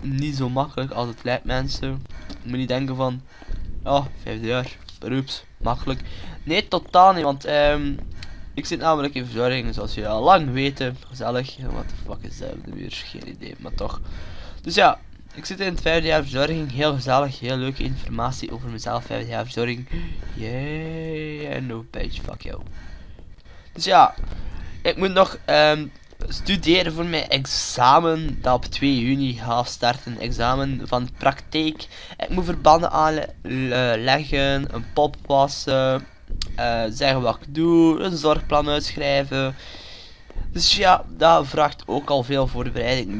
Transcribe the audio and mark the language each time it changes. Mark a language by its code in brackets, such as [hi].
[nl] Niet zo makkelijk als het lijkt, mensen. Ik moet niet denken van, oh, vijfde jaar, beroeps, makkelijk. Nee, totaal niet, want ik zit namelijk in verzorging, zoals jullie al lang weten. Gezellig, [en] what the fuck [nl] is dat op de muur? Geen idee, maar toch. Dus ja, ik zit in het vijfde jaar verzorging. Heel gezellig, heel leuke informatie over mezelf, vijfde jaar verzorging. [en] Yay, yeah, no bitch, fuck you. [nl] Dus ja, ik moet nog studeren voor mijn examen, dat op 2 juni gaat starten. Examen van praktijk. Ik moet verbanden aanleggen, een pop wassen. Zeggen wat ik doe, een zorgplan uitschrijven. Dus ja, dat vraagt ook al veel voorbereiding.